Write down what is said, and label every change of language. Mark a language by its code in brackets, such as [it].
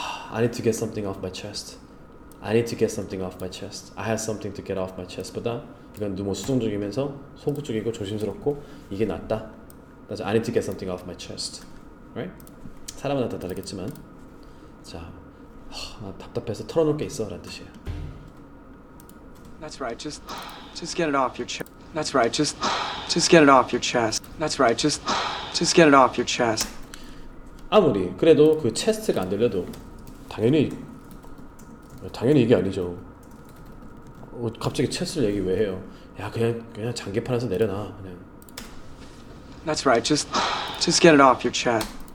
[en] I need to get something off my chest. I need to get something off my chest. I have something to get off my chest. [ko] 보다 이건 너무 수동적이면서 소극적이고 조심스럽고 이게 낫다. 그래서 [en] I need to get something off my chest. Right? [ko] 사람마다 다 다르겠지만 자, 나 답답해서 털어놓을 게 있어 라는 뜻이에요. [en] That's right, just get it off your chest. [ko] 아무리 그래도 그 체스트가 안 들려도 당연히 이게 아니죠. 갑자기 체스를 얘기 왜 해요? 야 그냥 장기판에서 내려놔 그냥. [en] That's right. Just get it off your chest.